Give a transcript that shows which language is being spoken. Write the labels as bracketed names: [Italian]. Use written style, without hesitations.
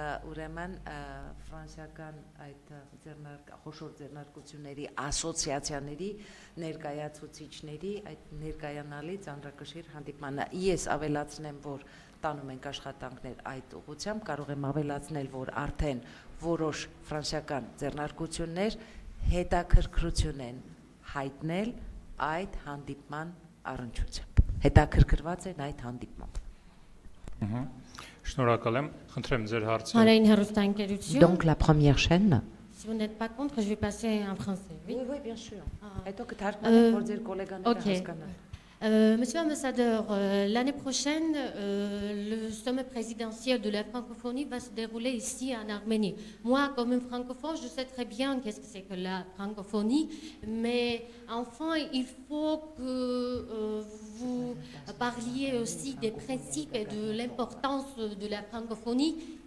[Armenian] ուրեմն ֆրանսիական այդ խոշոր ձեռնարկությունների ասոցիացիաների ներկայացուցիչների այդ ներկայանալի ծանրակշիռ հանդիպմանը։ Ես ավելացնեմ, որ տանում ենք աշխատանքներ այդ ուղղությամբ, կարող եմ ավելացնել, որ արդեն որոշ ֆրանսիական ձեռնարկություններ հետաքրքրություն են հայտնել այդ հանդիպման առնչությամբ, հետաքրքրված են այդ հանդիպմամբ։ Շնորհակալ եմ, խնդրեմ ձեր հարցը։ Հանրային հեռուստաընկերություն։ [French] Donc la première chaîne. Si vous n'êtes pas contre, je vais passer en français. Oui, oui, bien sûr. [Armenian] Հետո կթարգմանեմ, որ ձեր կոլեգաները հասկանան։ [French] Monsieur l'ambassadeur, l'année prochaine, le sommet présidentiel de la francophonie va se dérouler ici en Arménie. Moi, comme une francophone, je sais très bien qu'est-ce que c'est que la francophonie, mais enfin, il faut que vous parliez aussi des principes et de l'importance de la francophonie.